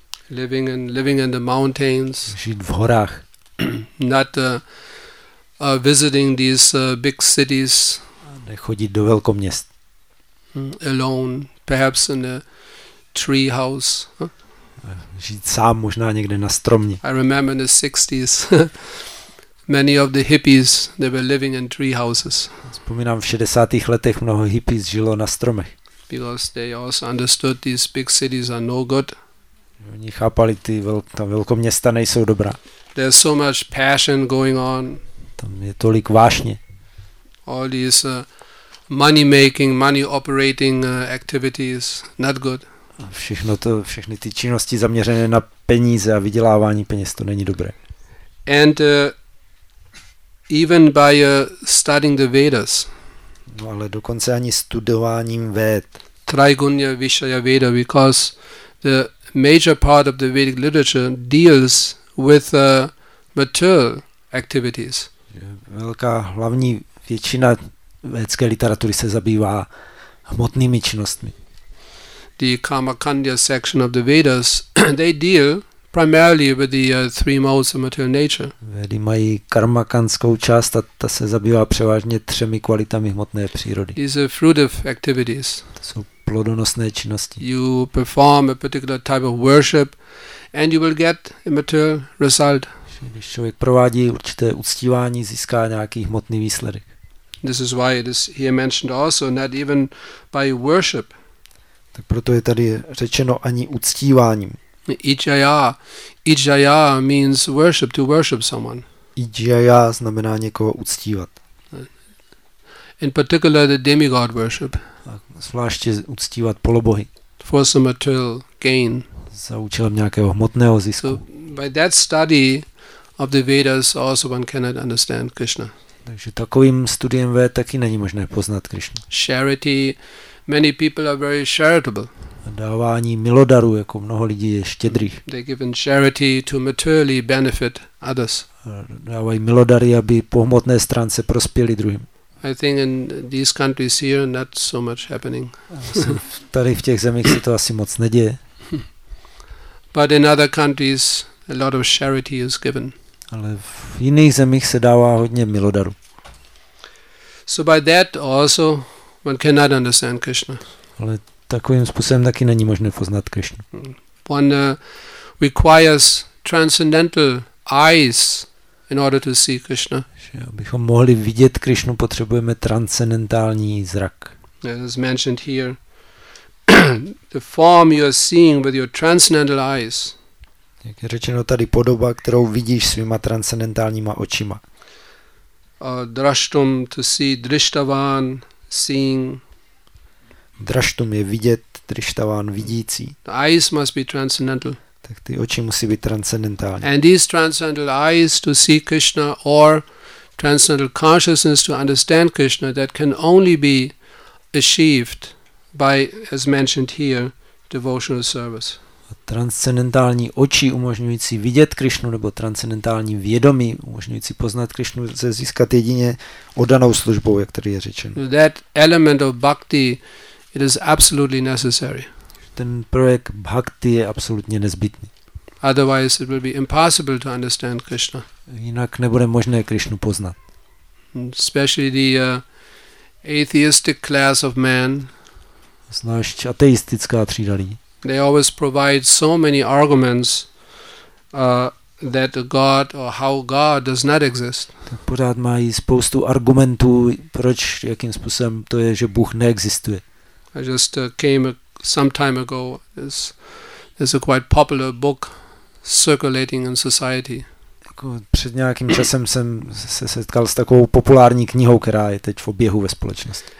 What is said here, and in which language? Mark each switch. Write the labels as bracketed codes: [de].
[en] Living in the mountains. [cs] Žít v horách. [en] Not visiting these big cities. [cs] A nechodit do velkoměst. [en] Alone, perhaps in a tree house. [cs] Žít sám možná někde na stromě. [en] I remember in the 60s, many of the hippies, they were living in tree houses. [cs] Vzpomínám, v 60. letech mnoho hippies žilo na stromech. [en] Because they also understood these big cities are no good. [cs] Oni chápali, ta velkoměsta nejsou dobrá. [en] There's so much passion going on. [cs] Tam je tolik vášně. [en] All these money making, money operating activities, not good. [cs] Všechny ty činnosti zaměřené na peníze a vydělávání peněz, to není dobré. [en] And even by studying the Vedas. [cs] No, ale dokonce ani studováním Véd. [en] Trigunya Vishaya Veda, because the major part of the Vedic literature deals with material activities. [cs] Velká hlavní většina védské literatury se zabývá hmotnými činnostmi. [en] The Karmakandya section of the Vedas, they deal primarily with the three modes of material nature. [cs] Vedy mají karmakandskou část a ta se zabývá převážně třemi kvalitami hmotné přírody. [en] These are fruitive activities. [cs] To jsou plodonosné činnosti. [en] You perform a particular type of worship and you will get a material result. [cs] Když člověk provádí určité uctívání, získá nějaký hmotný výsledek. [en] This is why it is here mentioned also not even by worship. [cs] Tak proto je tady řečeno ani uctíváním. [en] Ijaya. Ijaya means worship, to worship someone. [cs] Ijaya znamená někoho uctívat. [en] In particular the demigod worship. [cs] Zvláště uctívat polobohy. [en] For some material gain. [cs] Za účelem nějakého hmotného zisku. [en] So by that study of the Vedas also one cannot understand Krishna. [cs] Takže takovým studiem Véd taky není možné poznat Krishna. [en] Charity. Many people are very charitable. [cs] Dávání milodaru, jako mnoho lidí je štědrých. [en] They give in charity to materially benefit others. [cs] Dávají milodary, aby po hmotné stránce prospěli druhým. [en] I think in these countries here not so much happening. [cs] Tady v těch zemích se to asi moc neděje. [en] But in other countries a lot of charity is given. [cs] Ale v jiných zemích se dává hodně milodaru. [en] So by that also one cannot understand Krishna. [cs] Ale takovým způsobem taky není možné poznat Krishna. [en] One requires transcendental eyes in order to see Krishna. [cs] Abychom mohli vidět Krishnu, potřebujeme transcendentální zrak. [en] As mentioned here, the form you are seeing with your transcendental eyes. [cs] Jak je řečeno tady, podoba, kterou vidíš svýma transcendentálníma očima. [en] Drashtum, to see, drishtavan, seeing. [cs] Drashtum je vidět, drishtavan, vidící. [en] The eyes must be transcendental. [cs] Tak ty oči musí být transcendentální. [en] And these transcendental eyes to see Krishna or transcendental consciousness to understand Krishna, that can only be achieved by, as mentioned here, devotional service. [cs] A transcendentální oči umožňující vidět Krishnu nebo transcendentální vědomí umožňující poznat Krishnu se získat jedině oddanou službou, jak tady je řečeno. [en] That element of bhakti, it is absolutely necessary. [cs] Ten prvek bhakti je absolutně nezbytný. [en] Otherwise it will be impossible to understand Krishna. [cs] Jinak nebude možné Krishnu poznat. [en] Especially the atheistic class of man. [cs] Znášť ateistická třída lidí. [en] They always provide so many arguments that God or how God does not exist. [cs] Pořád mají spoustu argumentů, proč, jakým způsobem to je, že Bůh neexistuje. [en] I just came some time ago. There's a quite popular book circulating in society. [cs] Před nějakým časem jsem se setkal s takovou populární knihou, která je teď v oběhu ve společnosti.